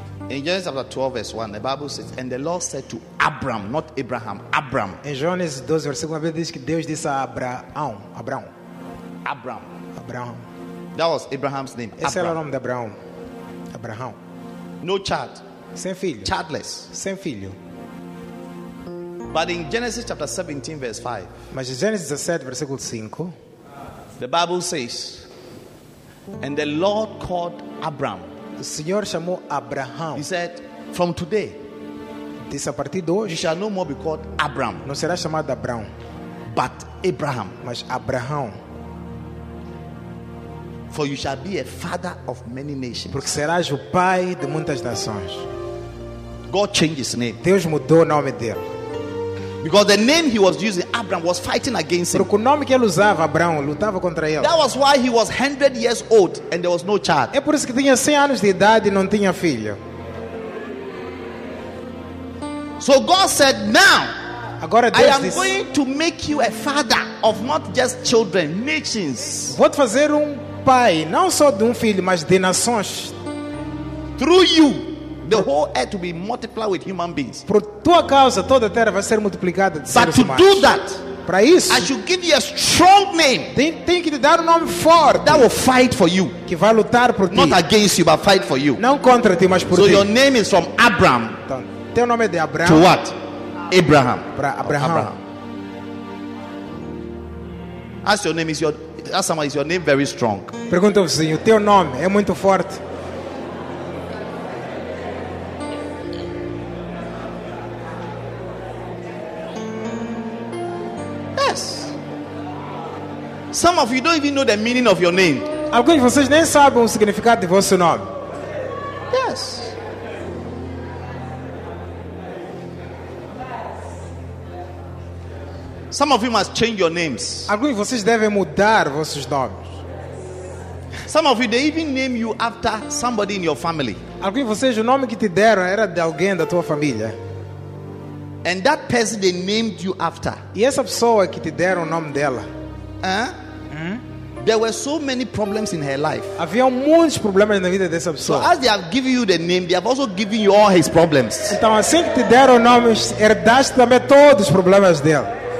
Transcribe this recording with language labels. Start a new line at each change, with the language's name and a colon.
English: In Genesis chapter 12, verse 1, the Bible says, and the Lord said to Abram, not Abraham, Abram.
Portuguese: Em Gênesis 12, versículo 1, diz que Deus disse a Abraão. Abraão.
English: Abram. Abraham. That was Abraham's name.
Portuguese: Esse era o nome de Abraão. Abraão.
English: No child.
Portuguese: Sem filho.
English: Childless.
Portuguese: Sem filho.
English: But in Genesis chapter 17 verse 5.
Portuguese: Mas em Gênesis 17 versículo 5.
English: The Bible says, and the Lord called Abram.
Portuguese: O Senhor chamou Abraão.
English: He said, from today,
Portuguese: diz a partir de hoje,
English: you shall no more be called Abraham.
Portuguese: Não será chamado Abraão,
English: but Abraham.
Portuguese: Mas Abraão.
English: For you shall be a father of many nations.
Portuguese: Porque serás o pai de muitas nações.
English: God changed his name.
Portuguese: Deus mudou o nome dele.
English: Because the name he was using, Abraham, was fighting against him.
Portuguese: Porque o nome que ele usava, Abraão, lutava contra ele.
English: That was why he was 100 years old and there was no child.
Portuguese: É por isso que tinha 100 anos de idade e não tinha filho.
English: So God said, now,
Portuguese: agora Deus
English: I am
Portuguese: disse,
English: going to make you a father of not just children, nations.
Portuguese: Vou te fazer um pai, não só de um filho, mas de nações.
English: Through you, the whole earth will be multiplied with human beings.
Portuguese: Por tua causa, toda a terra vai ser multiplicada de seres
English: to
Portuguese: humanos.
English: Do that,
Portuguese: para isso,
English: I should give you a strong name.
Portuguese: Tem que te dar um nome forte
English: that will fight for you.
Portuguese: Que vai lutar por ti.
English: Not against you, but fight for you.
Portuguese: Não contra ti, mas por
English: so
Portuguese: ti.
English: So your name is from Abraham.
Portuguese: Então, teu nome é de Abraão.
English: To what? Abraham.
Portuguese: Para Abraão.
English: Ask your name is your. Ask someone, is your name very strong?
Portuguese: Pergunta ao vizinho, teu nome é muito forte?
English: Yes. Some of you don't even know the meaning of your name.
Portuguese: Alguns de vocês nem sabem o significado de vosso nome.
English: Yes. Some of you must change your names.
Portuguese: Alguns de vocês devem mudar vossos nomes.
English: Some of you they even name you after somebody in your family.
Portuguese: Alguns de vocês o nome que te deram era de alguém da tua família.
English: And that person they named you after.
Portuguese: E essa pessoa que te deram o nome dela.
English: There were so many problems in her life.
Portuguese: Havia muitos problemas na vida dessa pessoa.
English: So as they have given you the name, they have also given you all his problems.
Portuguese: Então assim que te deram o nome, herdaste também todos os problemas dela.